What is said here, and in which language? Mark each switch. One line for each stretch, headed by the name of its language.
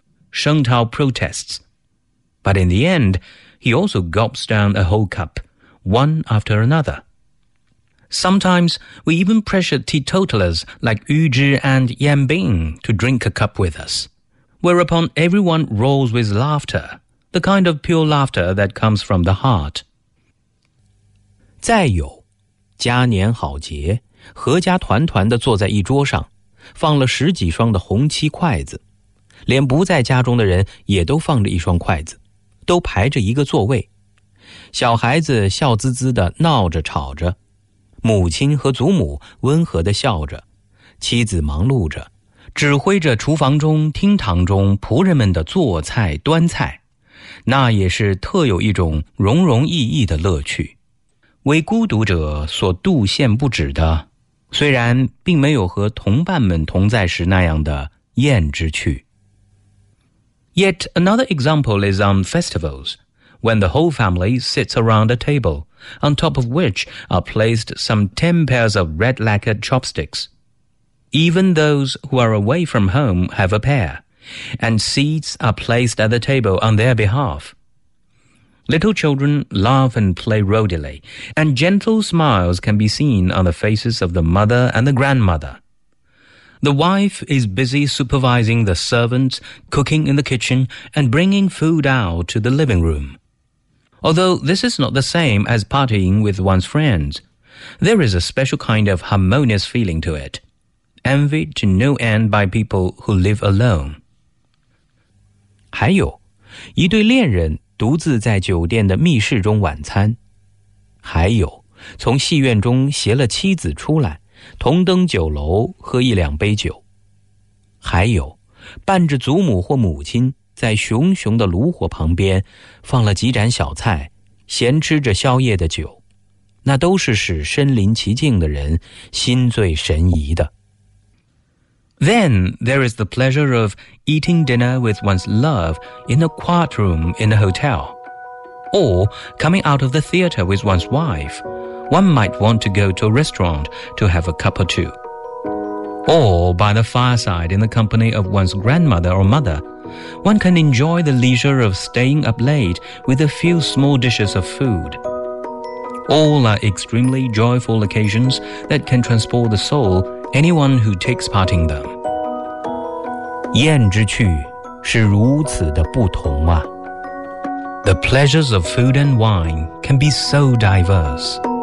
English: Sheng Tao protests. But in the end, he also gulps down a whole cup, one after another. Sometimes, we even pressure teetotalers like Yu Zhi and Yan Bing to drink a cup with us. Whereupon everyone roars with laughter, the kind of pure laughter that comes from the heart.
Chinese: 再有，嘉年好节，阖家团团地坐在一桌上，放了十几双的红漆筷子，连不在家中的人也都放着一双筷子，都排着一个座位。小孩子笑滋滋地闹着吵着，母亲和祖母温和地笑着，妻子忙碌着。指挥着厨房中、厅堂中仆人们的做菜、端菜，那也是特有一种融融意义的乐趣，为孤独者所度限不止的，虽然并没有和同伴们同在时那样的宴之趣。
English: Yet another example is on festivals, when the whole family sits around a table, on top of which are placed some 10 pairs of red lacquered chopsticks. Even those who are away from home have a pair, and seats are placed at the table on their behalf. Little children laugh and play rowdily, and gentle smiles can be seen on the faces of the mother and the grandmother. The wife is busy supervising the servants, cooking in the kitchen, and bringing food out to the living room. Although this is not the same as partying with one's friends, there is a special kind of harmonious feeling to it. Envied to no end by people who live alone.
Chinese: 还有，一对恋人独自在酒店的密室中晚餐。还有，从戏院中携了妻子出来，同登酒楼喝一两杯酒。还有，伴着祖母或母亲在熊熊的炉火旁边放了几盏小菜，闲吃着宵夜的酒，那都是使身临其境的人心醉神怡的。
English: Then there is the pleasure of eating dinner with one's love in a quiet room in a hotel. Or coming out of the theater with one's wife, one might want to go to a restaurant to have a cup or two. Or by the fireside in the company of one's grandmother or mother, one can enjoy the leisure of staying up late with a few small dishes of food. All are extremely joyful occasions that can transport the soulAnyone who takes part in them.
Chinese: 宴之趣是如此的不同啊。
English: The pleasures of food and wine can be so diverse.